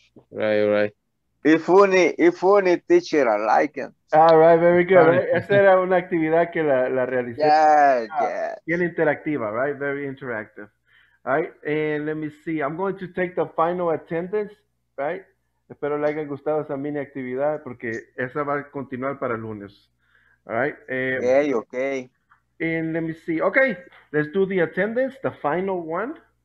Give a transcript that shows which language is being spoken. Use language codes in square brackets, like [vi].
[en] Right. It's funny, teacher, I like it. All right, very good. Right. [es] Esa era una actividad que la realicé. [en] Yeah. [es] Bien interactiva, [en] right? Very interactive. All right, and let me see. I'm going to take the final attendance, right? [es] Espero le hayan gustado esa mini actividad porque esa va a continuar para lunes. [en] All right. Okay. And let me see. Okay, let's do the attendance, the final one.